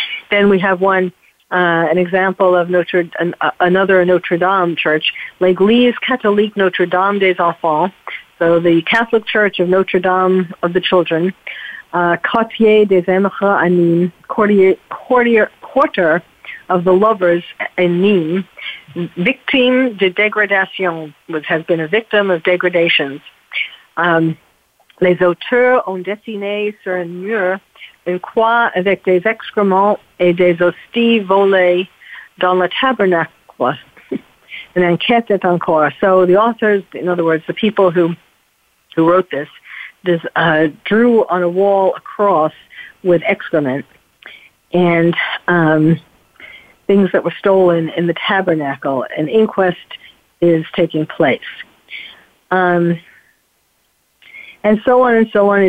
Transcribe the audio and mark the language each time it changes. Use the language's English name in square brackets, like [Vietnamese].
[English] Then we have one, an example of another Notre Dame church, L'Église Catholique Notre Dame des Enfants, so the Catholic Church of Notre Dame of the Children, Quartier des Amoureux à Nîmes, Quarter of the Lovers in Nîmes, [French] Victime de Dégradation, [English] which has been a victim of degradations. [French] Les auteurs ont dessiné sur un mur une croix avec des excrements et des hosties volées dans le tabernacle. An enquête est en cours. [English] So the authors, in other words, the people who wrote this, drew on a wall a cross with excrement and things that were stolen in the tabernacle. An inquest is taking place. And so on and so on.